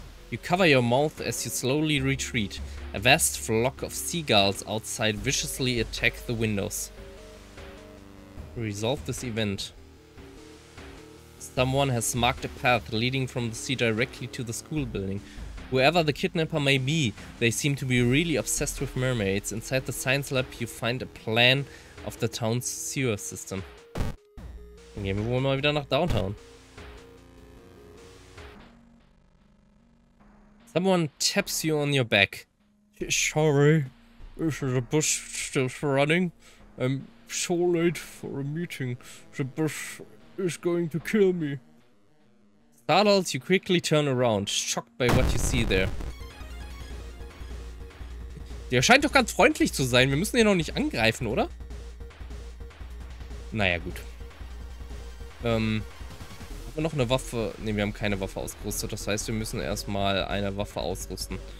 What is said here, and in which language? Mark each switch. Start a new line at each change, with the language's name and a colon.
English: You cover your mouth as you slowly retreat. A vast flock of seagulls outside viciously attack the windows. Resolve this event. Someone has marked a path leading from the sea directly to the school building. Whoever the kidnapper may be, they seem to be really obsessed with mermaids. Inside the science lab, you find a plan of the town's sewer system.
German: Dann gehen wir wohl mal wieder nach Downtown.
English: Someone taps you on your back. Sorry, is the bus still running? I'm so late for a meeting. The bus is going to kill me. Startled, you quickly turn around, shocked by what you see there.
German: Der scheint doch ganz freundlich zu sein. Wir müssen ihn noch nicht angreifen, oder? Naja, gut. Haben wir noch eine Waffe? Ne, wir haben keine Waffe ausgerüstet. Das heißt, wir müssen erstmal eine Waffe ausrüsten.